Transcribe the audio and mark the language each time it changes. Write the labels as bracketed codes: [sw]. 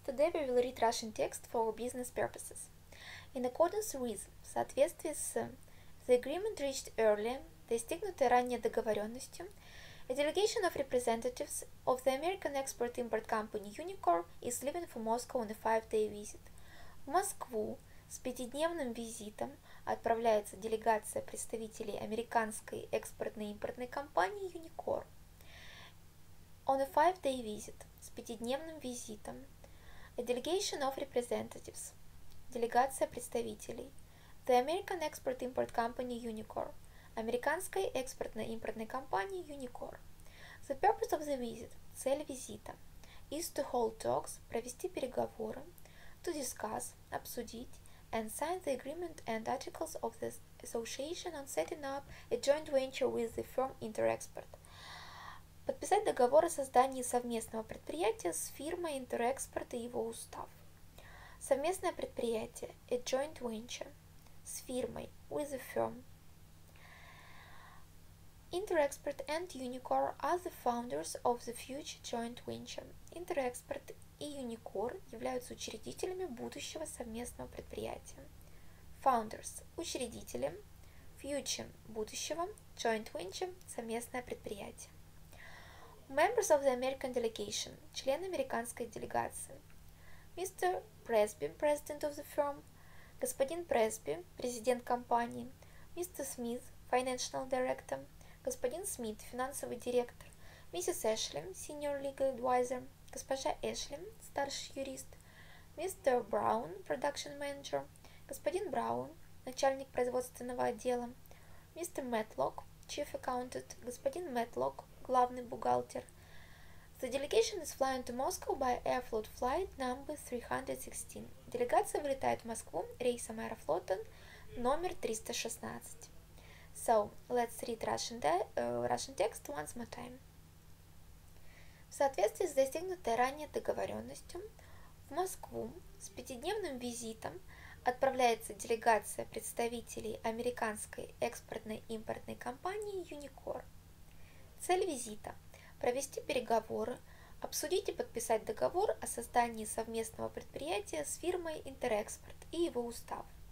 [en] Today we will read Russian text for business purposes. In accordance with, [ru] в соответствии с, [en] the agreement reached earlier, [ru] достигнутой ранее договоренностью, [en] a delegation of representatives of the American export-import company Unicor is leaving for Moscow on a 5-day visit. [ru] В Москву с 5-дневным визитом отправляется делегация представителей американской экспортно-импортной компании Unicor. [en] On a 5-day visit, [ru] с 5-дневным визитом, [en] a delegation of representatives, [ru] делегация представителей, [en] the American export-import company Unicor, [ru] американской экспортно-импортной компании Unicor. [en] The purpose of the visit, [ru] цель визита, [en] is to hold talks, [ru] провести переговоры, [en] to discuss, [ru] обсудить, [en] and sign the agreement and articles of the association on setting up a joint venture with the firm Interexport. [ru] Подписать договор о создании совместного предприятия с фирмой Interexport и его устав. Совместное предприятие, [en] a joint venture, [ru] с фирмой, [en] with a firm. Interexport and Unicor are the founders of the future joint venture. [ru] Interexport и Unicor являются учредителями будущего совместного предприятия. [en] Founders – [ru] учредители, [en] future – [ru] будущего, [en] joint venture – [ru] совместное предприятие. [en] Members of the American delegation, [ru] член американской делегации. [en] Mr. Presby, president of the firm. [ru] Господин Presby, президент компании. [en] Mr. Smith, financial director. [ru] Господин Смит, финансовый директор. [en] Mrs. Ashley, senior legal advisor. [ru] Госпожа Эшли, старший юрист. [en] Mr. Brown, production manager. [ru] Господин Браун, начальник производственного отдела. [en] Mr. Matlock, chief accountant. [ru] Господин Matlock, главный бухгалтер. [en] The delegation is flying to Moscow by Aeroflot flight number 316. [ru] Делегация вылетает в Москву рейсом Аэрофлота номер 316. [en] So, let's read Russian text once more time. [ru] В соответствии с достигнутой ранее договоренностью, в Москву с 5-дневным визитом отправляется делегация представителей американской экспортно-импортной компании Unicor. Цель визита – провести переговоры, обсудить и подписать договор о создании совместного предприятия с фирмой Interexport и его устав.